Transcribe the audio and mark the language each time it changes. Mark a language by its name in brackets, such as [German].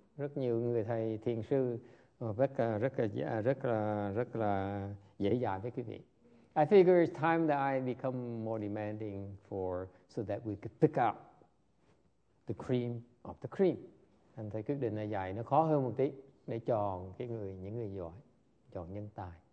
[Vietnamese] Rất nhiều người thầy thiền sư rất là dễ dàng với quý vị. [English] I figure it's time that I become more demanding for so that we could pick up the cream of the cream. [Vietnamese] Anh thấy quyết định này dài nó khó hơn một tí để chọn cái người những người giỏi, chọn nhân tài.